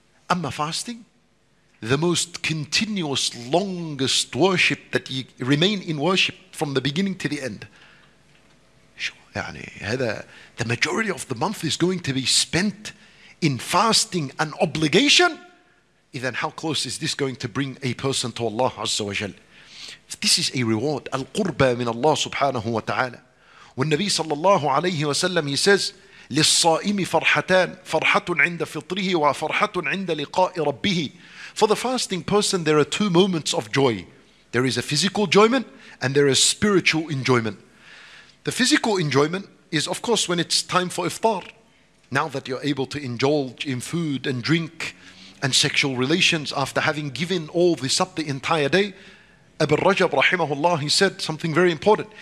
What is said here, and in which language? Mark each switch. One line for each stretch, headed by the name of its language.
English: Amma fasting, the most continuous, longest worship that you remain in worship from the beginning to the end. The majority of the month is going to be spent in fasting an obligation. Then how close is this going to bring a person to Allah Azza wa Jal? This is a reward. Al-qurba min Allah subhanahu wa ta'ala. When Nabi sallallahu alayhi wa sallam, he says,
Arabic: لِلصَّائِمِ فَرْحَتَانِ فَرْحَةٌ عِنْدَ فِطْرِهِ وَفَرْحَةٌ عِنْدَ لِقَاءِ رَبِّهِ.
English: For the fasting person, there are two moments of joy. There is a physical enjoyment and there is spiritual enjoyment. The physical enjoyment is, of course, when it's time for iftar. Now that you're able to indulge in food and drink and sexual relations after having given all this up the entire day, Abu Rajab rahimahullah, he said something very important.